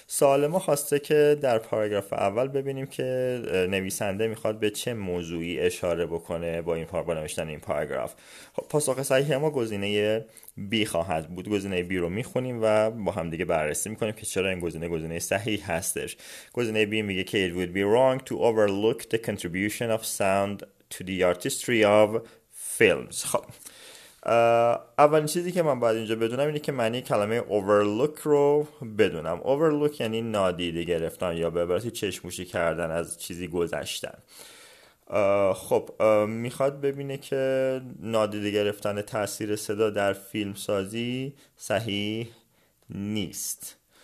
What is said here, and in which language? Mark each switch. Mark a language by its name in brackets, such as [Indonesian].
[Persian] سوال ما خواسته که در پاراگراف اول ببینیم که نویسنده میخواد به چه موضوعی اشاره بکنه با این پاراگراف نوشتن این پاراگراف. خب پاسخ صحیح ما گزینه بی خواهد بود. گزینه بی رو میخونیم و با هم دیگه بررسی میکنیم که چرا این گزینه گزینه صحیح هستش. [English] گزینه بی میگه که it would be wrong to overlook the contribution of sound to the artistry of films. [Persian] خب اولین چیزی که من باید اینجا بدونم اینه که معنی کلمه overlook رو بدونم. overlook یعنی نادیده گرفتن یا به عبارتی چشم‌پوشی کردن از چیزی گذشتن. خب میخواد ببینه که نادیده گرفتن تأثیر صدا در فیلم سازی صحیح نیست.